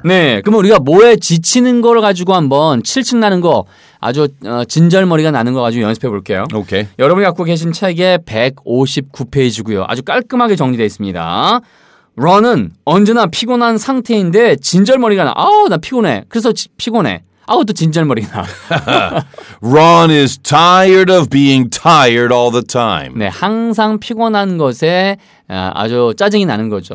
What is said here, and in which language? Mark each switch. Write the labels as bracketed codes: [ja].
[ko] 네, 그럼 우리가 뭐에 지치는 걸 가지고 한번 칠칭 나는 거 아주 진절머리가 나는 거 가지고 연습해 볼게요. 오케이. 여러분이 갖고 계신 책에 159페이지고요. 아주 깔끔하게 정리되어 있습니다. 런은 언제나 피곤한 상태인데 진절머리가 나. 아우 나 피곤해. 그래서 피곤해. 아우 또 진절머리 나. [en] Ron is tired of being tired all the time. [ko] 네, 항상 피곤한 것에 아주 짜증이 나는 거죠.